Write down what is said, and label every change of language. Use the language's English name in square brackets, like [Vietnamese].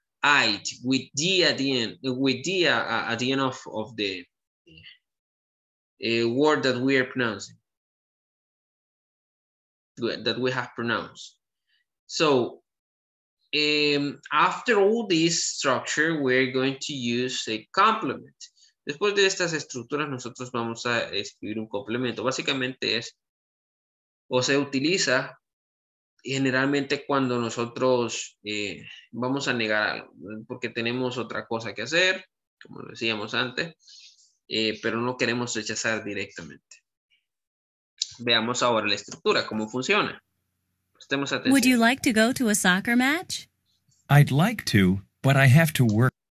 [English] I'd with the at the end of the word that we are pronouncing. That we have pronounced. So, after all this structure, we're going to use a complement. [Spanish] Después de estas estructuras, nosotros vamos a escribir un complemento. Básicamente es, o se utiliza generalmente cuando nosotros vamos a negar algo, porque tenemos otra cosa que hacer, como lo decíamos antes, pero no queremos rechazar directamente. Veamos ahora la estructura, cómo funciona. Prestemos atención. [English] Would you like to go to a soccer match? I'd like to, but I have to work.